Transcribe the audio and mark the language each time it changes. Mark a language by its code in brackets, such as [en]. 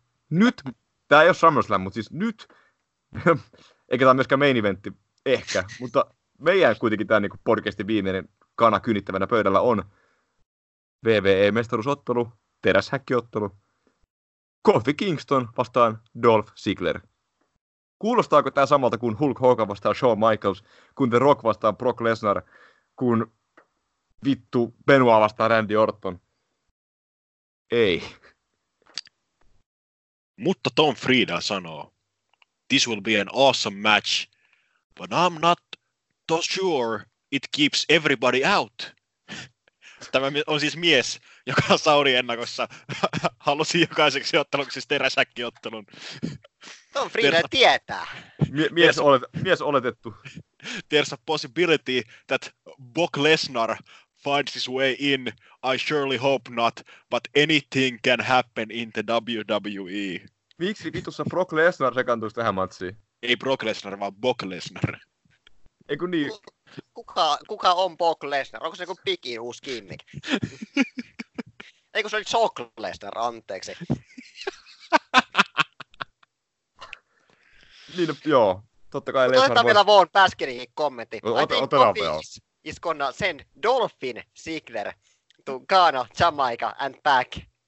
[fi] Nyt, tämä ei ole SummerSlam, mutta siis nyt, eikä tämä myöskään main eventti ehkä, mutta meidän kuitenkin tämä niinku podcastin viimeinen kana kynittävänä pöydällä on WWE-mestaruusottelu, teräshäkkiottelu, Kofi Kingston vastaan Dolph Ziggler. Kuulostaako tämä samalta kuin Hulk Hogan vastaan Shawn Michaels, kun The Rock vastaan Brock Lesnar, kun vittu Benoit vastaan Randy Orton? Ei. Mutta Tom Frieda sanoo, [en] this will be an awesome match, but I'm not too sure it keeps everybody out. [fi] Tämä on siis mies, joka saudi-ennakossa halusi jokaiseksi otteluksi teräsäkkiottelun. Tom Frieda tietää. Mies oletettu. [en] There's a possibility that Brock Lesnar finds his way in. I surely hope not, but anything can happen in the WWE. [fi] Miksi vitussa Brock Lesnar sekaantuisi tähän matsiin? Ei Brock Lesnar, vaan Brock Lesnar. Eiku niin. Kuka on Brock Lesnar? Onko se joku pikin uusi gimmick? Eiku se oli Brock Lesnar, anteeksi. Niin, joo. Totta kai Lesnar. Otetaan vielä Vaughn Baskinin kommentti. Otetaan vielä. [en] Is gonna send Dolphin Ziggler to Ghana, Jamaica and back.